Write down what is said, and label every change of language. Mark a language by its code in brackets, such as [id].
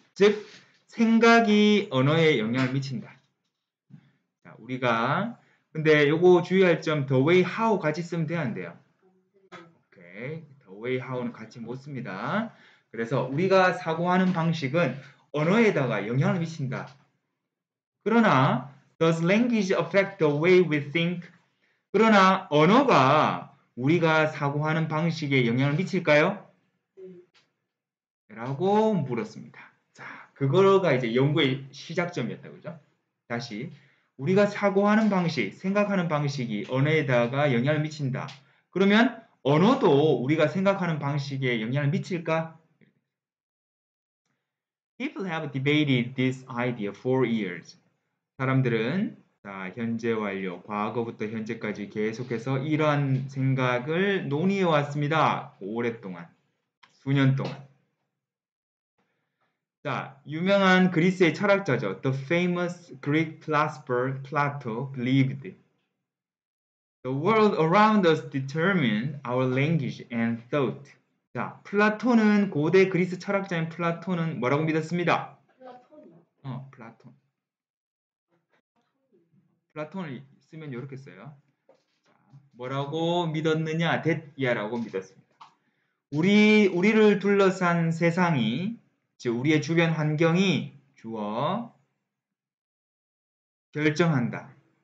[ko] 즉 생각이 언어에 영향을 미친다. 우리가 근데 요거 주의할 점 the way how 같이 쓰면 돼야 안 돼요? 오케이. the way how는 같이 못 씁니다. 그래서 우리가 사고하는 방식은 언어에다가 영향을 미친다. [en] 그러나 does language affect the way we think? [ko] 그러나 언어가 우리가 사고하는 방식에 영향을 미칠까요? 라고 물었습니다. 자, 그거가 이제 연구의 시작점이었다. 그죠? 다시 우리가 사고하는 방식, 생각하는 방식이 언어에다가 영향을 미친다. 그러면 언어도 우리가 생각하는 방식에 영향을 미칠까? [en] People have debated this idea for years. [ko] 사람들은 자, 현재 완료, 과거부터 현재까지 계속해서 이러한 생각을 논의해왔습니다. 오랫동안, 수년 동안. 자, 유명한 그리스의 철학자죠. [en] The famous Greek philosopher Plato believed the world around us determined our language and thought. [ko] 자, 플라톤은 고대 그리스 철학자인 플라톤은 뭐라고 믿었습니다? 플라톤. 플라톤. 플라톤을 쓰면 이렇게 써요. 자, 뭐라고 믿었느냐? 데티아라고 믿었습니다. 우리를 둘러싼 세상이 즉 우리의 주변 환경이 주어 결정한다.